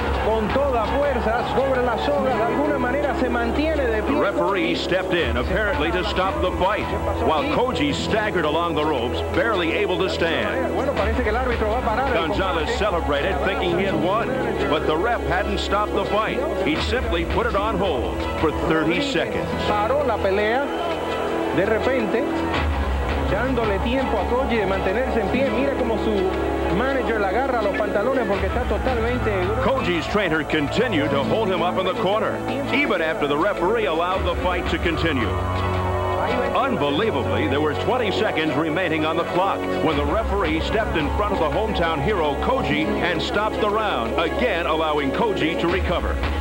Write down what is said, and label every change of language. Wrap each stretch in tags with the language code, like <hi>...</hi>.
<en>The referee stepped in, apparently to stop the fight, while Coggi staggered along the ropes, barely able to stand. Gonzalez celebrated, thinking he had won, but the ref hadn't stopped the fight. He simply put it on hold for 30 seconds.</en> <es>Paró la pelea, de repente, dándole tiempo a Coggi de mantenerse en pie. Mira como su manager la agarra los pantalones porque está totalmente...</es> <en>Coggi's trainer continued to hold him up in the corner, even after the referee allowed the fight to continue. Unbelievably, there were 20 seconds remaining on the clock when the referee stepped in front of the hometown hero, Coggi, and stopped the round, again allowing Coggi to recover.</en>